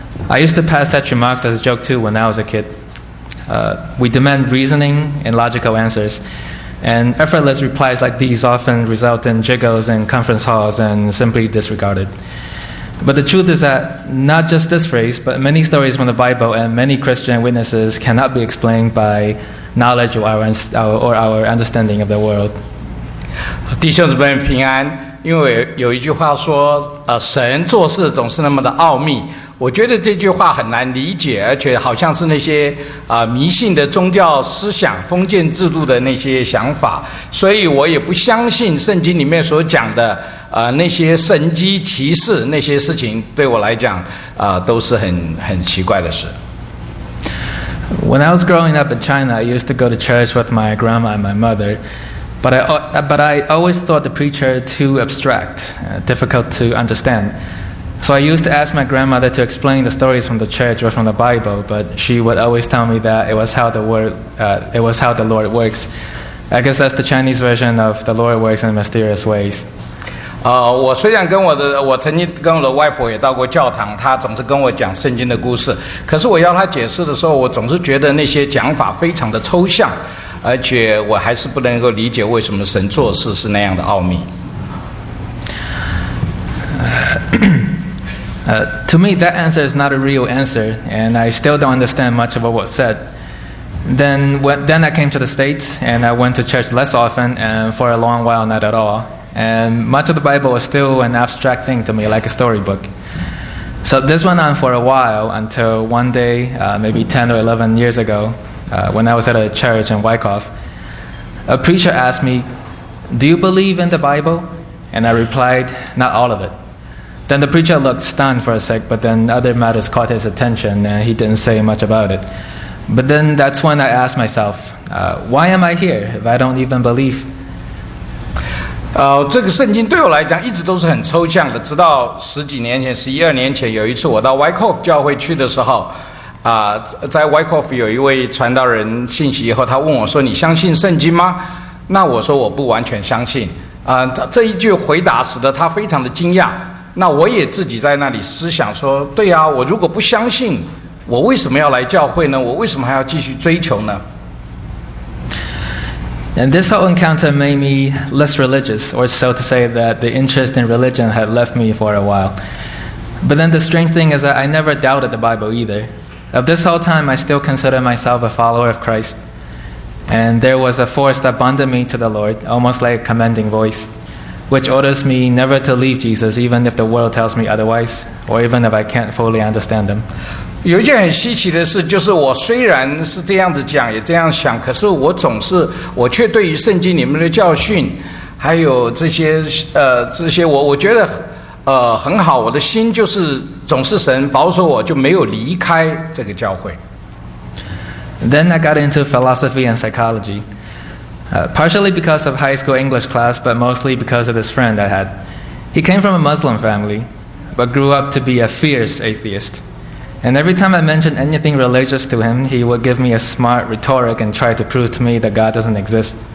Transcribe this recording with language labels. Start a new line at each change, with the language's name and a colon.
English: I used to pass such remarks as a joke too when I was a kid. We demand reasoning and logical answers, and effortless replies like these often result in jiggles in conference halls and simply disregarded. But the truth is that not just this phrase, but many stories from the Bible and many Christian witnesses cannot be explained by knowledge or our understanding of the world.
Chinese: 弟兄姊妹平安，因为有一句话说，神做事总是那么的奥秘。我觉得这句话很难理解，而且好像是那些迷信的宗教思想、封建制度的那些想法，所以我也不相信圣经里面所讲的那些神迹奇事那些事情，对我来讲都是很奇怪的事。
English: When I was growing up in China, I used to go to church with my grandma and my mother, but I always thought the preacher too abstract, difficult to understand. So I used to ask my grandmother to explain the stories from the church or from the Bible, but she would always tell me that it was how the Lord works. I guess that's the Chinese version of the Lord works in mysterious ways.
Chinese: 我虽然跟我的我曾经跟我的外婆也到过教堂，她总是跟我讲圣经的故事。可是我要她解释的时候，我总是觉得那些讲法非常的抽象，而且我还是不能够理解为什么神做事是那样的奥秘。
English: To me, that answer is not a real answer, and I still don't understand much of what was said. Then I came to the States, and I went to church less often, and for a long while, not at all. And much of the Bible was still an abstract thing to me, like a storybook. So this went on for a while, until one day, maybe 10 or 11 years ago, when I was at a church in Wyckoff, a preacher asked me, "Do you believe in the Bible?" And I replied, "Not all of it." Then the preacher looked stunned for a sec, but then other matters caught his attention and he didn't say much about it. But then that's when I asked myself, why am I here if I don't even believe?
Chinese: 这个圣经对我来讲一直都是很抽象的，直到十几年前，十一二年前，有一次我到 Wyckoff 教会去的时候，在 Wyckoff 有一位传道人信息以后，他问我说，你相信圣经吗？那我说我不完全相信。这一句回答使得他非常的惊讶。那我也自己在那里思想说，对啊，我如果不相信，我为什么要来教会呢？我为什么还要继续追求呢？
English: And this whole encounter made me less religious, or so to say that the interest in religion had left me for a while. But then the strange thing is that I never doubted the Bible either. Of this whole time, I still consider myself a follower of Christ. And there was a force that bonded me to the Lord, almost like a commanding voice. Which orders me never to leave Jesus, even if the world tells me otherwise, or even if I can't fully understand them.
Chinese: 有一件很稀奇的事，就是我虽然是这样子讲，也这样想，可是我却对于圣经里面的教训，还有这些我觉得很好，我的心就是总是神保守我，就没有离开这个教会。
English: Then I got into philosophy and psychology. Partially because of high school English class, but mostly because of this friend I had. He came from a Muslim family, but grew up to be a fierce atheist. And every time I mentioned anything religious to him, he would give me a smart rhetoric and try to prove to me that God doesn't exist.